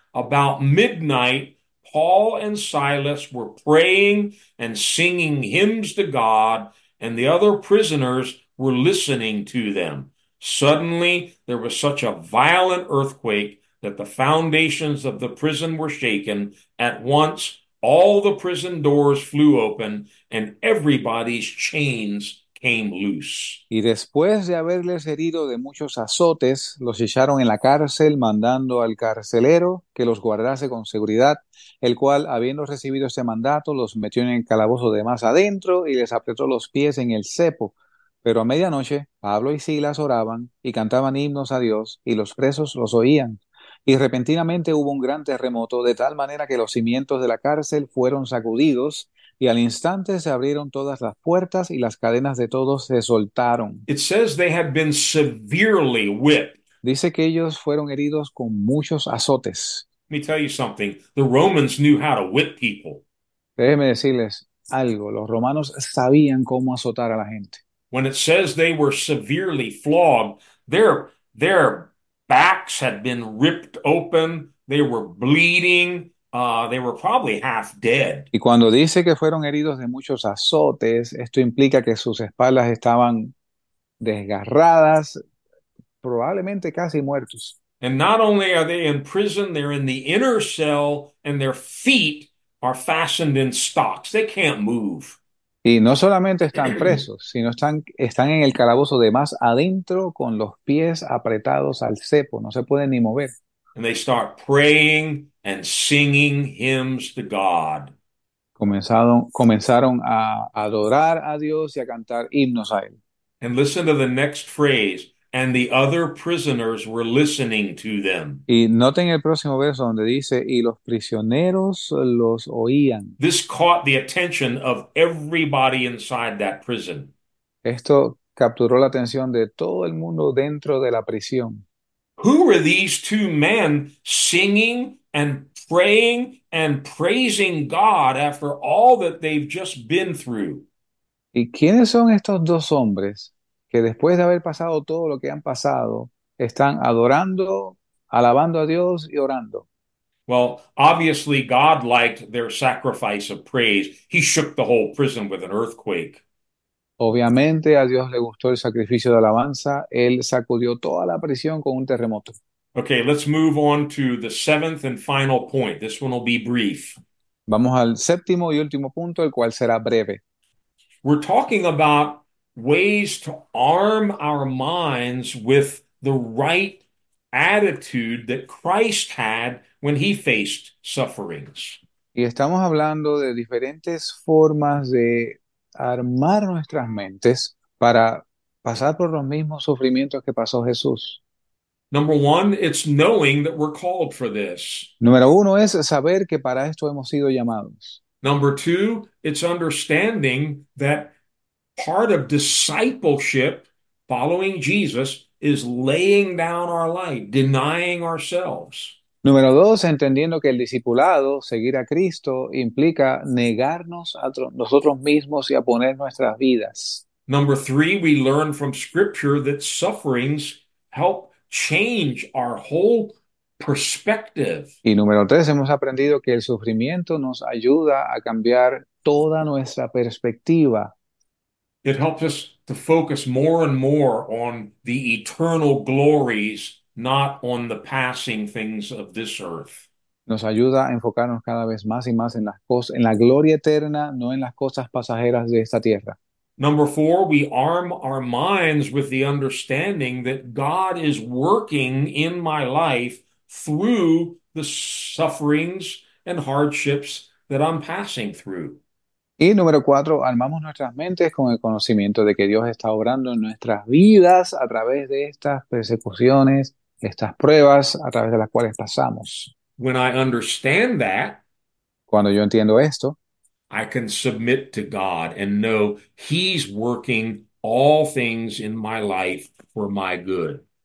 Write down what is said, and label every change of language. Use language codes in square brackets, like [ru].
[en] About midnight, Paul and Silas were praying and singing hymns to God, and the other prisoners were listening to them. Suddenly, there was such a violent earthquake that the foundations of the prison were shaken. At once, all the prison doors flew open, and everybody's chains came loose. [es] Y después de haberles herido de muchos azotes, los echaron en la cárcel, mandando al carcelero que los guardase con seguridad, el cual, habiendo recibido este mandato, los metió en el calabozo de más adentro y les apretó los pies en el cepo. Pero a medianoche, Pablo y Silas oraban y cantaban himnos a Dios, y los presos los oían. Y repentinamente hubo un gran terremoto, de tal manera que los cimientos de la cárcel fueron sacudidos. Y al instante se abrieron todas las puertas y las cadenas de todos se soltaron. [en] It says they have been severely whipped. [es] Dice que ellos fueron heridos con muchos azotes. [en] Let me tell you something. The Romans knew how to whip people. [es] Déjenme decirles algo. Los romanos sabían cómo azotar a la gente. [en] When it says they were severely flogged, their backs had been ripped open. They were bleeding. They were probably half dead. [es] Y cuando dice que fueron heridos de muchos azotes, esto implica que sus espaldas estaban desgarradas, probablemente casi muertos. [en] And not only are they in prison, they're in the inner cell, and their feet are fastened in stocks. They can't move. [es] Y no solamente están presos, sino están en el calabozo de más adentro con los pies apretados al cepo, no se pueden ni mover. [en] And they start praying and singing hymns to God. [es] Comenzaron a adorar a Dios y a cantar himnos a Él. [en] And listen to the next phrase. And the other prisoners were listening to them. [es] Y noten el próximo verso donde dice, y los prisioneros los oían. [en] This caught the attention of everybody inside that prison. [es] Esto capturó la atención de todo el mundo dentro de la prisión. [en] Who were these two men singing and praying and praising God after all that they've just been through? [es] ¿Y quiénes son estos dos hombres que después de haber pasado todo lo que han pasado, están adorando, alabando a Dios y orando? [en] Well, obviously, God liked their sacrifice of praise. He shook the whole prison with an earthquake. [es] Obviamente a Dios le gustó el sacrificio de alabanza, él sacudió toda la prisión con un terremoto. [en] Okay, let's move on to the seventh and final point. This one will be brief. [es] Vamos al séptimo y último punto, el cual será breve. [en] We're talking about ways to arm our minds with the right attitude that Christ had when he faced sufferings. [es] Y estamos hablando de diferentes formas de armar nuestras mentes para pasar por los mismos sufrimientos que pasó Jesús. [en] Number one, it's knowing that we're called for this. [es] Número uno es saber que para esto hemos sido llamados. [en] Number two, it's understanding that part of discipleship, following Jesus, is laying down our life, denying ourselves. [es] Número dos, entendiendo que el discipulado, seguir a Cristo, implica negarnos a nosotros mismos y a poner nuestras vidas. [en] Number three, we learn from Scripture that sufferings help change our whole perspective. [es] Y número tres, hemos aprendido que el sufrimiento nos ayuda a cambiar toda nuestra perspectiva. [en] It helps us to focus more and more on the eternal glories, not on the passing things of this earth. [es] Nos ayuda a enfocarnos cada vez más y más en las cosas, en la gloria eterna, no en las cosas pasajeras de esta tierra. [en] Number four, we arm our minds with the understanding that God is working in my life through the sufferings and hardships that I'm passing through. [es] Y número cuatro, armamos nuestras mentes con el conocimiento de que Dios está obrando en nuestras vidas a través de estas persecuciones, estas pruebas a través de las cuales pasamos. [en] When I understand that, [es] Cuando yo entiendo esto, [en] I can submit to God and know He's working all things in my life for my good.